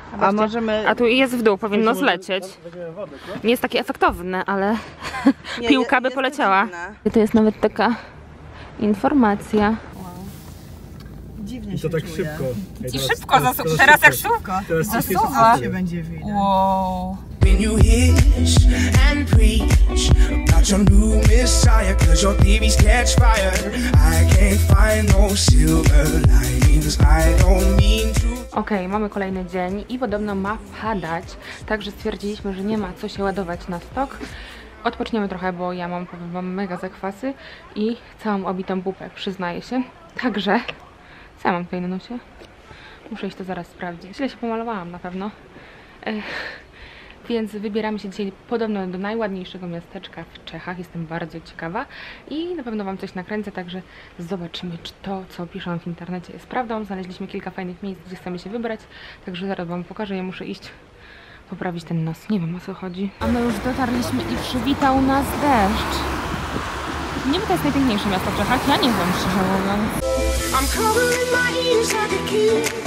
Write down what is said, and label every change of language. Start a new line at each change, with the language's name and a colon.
Polish: A możemy... A tu jest w dół, powinno zlecieć. Nie jest takie efektowne, ale... Nie, piłka by poleciała. Dziwne. To jest nawet taka... informacja. Wow. Dziwnie się I to tak czuję. Szybko. Ej, teraz, i szybko zasuwa. Teraz jak szybko. Teraz szybko się będzie widać. Wow.
English: When you hitch and preach about your new messiah, 'cause your theories catch fire. I can't find no silver linings. I don't mean to.
Polish: Okej, okay, mamy kolejny dzień i podobno ma padać, także stwierdziliśmy, że nie ma co się ładować na stok. Odpoczniemy trochę, bo ja mam, powiem wam, mega zakwasy i całą obitą pupę, przyznaję się. Także co ja mam tutaj na nosie? Muszę iść to zaraz sprawdzić. Źle się pomalowałam na pewno. Więc wybieramy się dzisiaj podobno do najładniejszego miasteczka w Czechach. Jestem bardzo ciekawa i na pewno wam coś nakręcę, także zobaczymy, czy to, co piszą w internecie, jest prawdą. Znaleźliśmy kilka fajnych miejsc, gdzie chcemy się wybrać, także zaraz wam pokażę. Ja muszę iść poprawić ten nos. Nie wiem, o co chodzi. A my już dotarliśmy i przywitał nas deszcz. Nie wiem, to jest najpiękniejsze miasto w Czechach. Ja nie wiem, szczerze mówiąc.
English: I'm covering my ears like a kid.